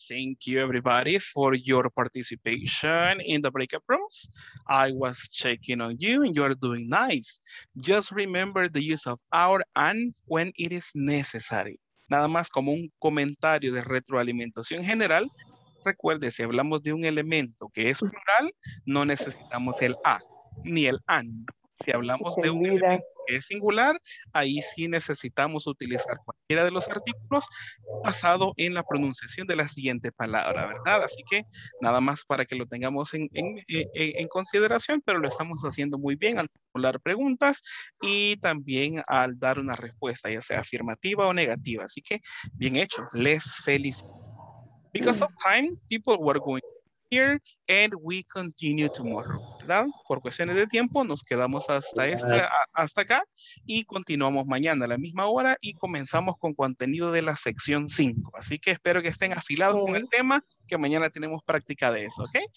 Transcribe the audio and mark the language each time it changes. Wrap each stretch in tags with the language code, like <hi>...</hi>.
<en>Thank you, everybody, for your participation in the breakout rooms. I was checking on you, and you're doing nice. Just remember the use of our and when it is necessary.</en> <es>Nada más como un comentario de retroalimentación general. Recuerde, si hablamos de un elemento que es plural, no necesitamos el a ni el an. Si hablamos de un elemento que es singular, ahí sí necesitamos utilizar cualquiera de los artículos basado en la pronunciación de la siguiente palabra, ¿verdad? Así que nada más para que lo tengamos en consideración, pero lo estamos haciendo muy bien al formular preguntas y también al dar una respuesta, ya sea afirmativa o negativa. Así que bien hecho. Les felicito.</es> <en>Because of time, people were going here and we continue tomorrow, ¿verdad?</en> <es>Por cuestiones de tiempo nos quedamos hasta acá y continuamos mañana a la misma hora y comenzamos con contenido de la sección 5, así que espero que estén afilados con el tema, que mañana tenemos práctica de eso, ¿ok?</es>